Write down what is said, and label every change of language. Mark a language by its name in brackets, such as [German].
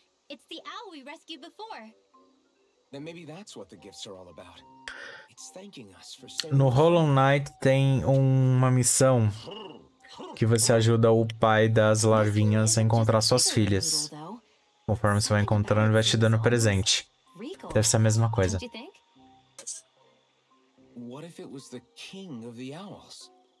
[English] It's the owl we rescued before. Then maybe that's what the gifts are all about. It's thanking us for saving. [Portuguese] No Hollow Knight tem uma missão que você ajuda o pai das larvinhas a encontrar suas filhas. Conforme você vai encontrando, vai te dando presente. Deve ser a mesma coisa. [English] What if it was the king of the owls?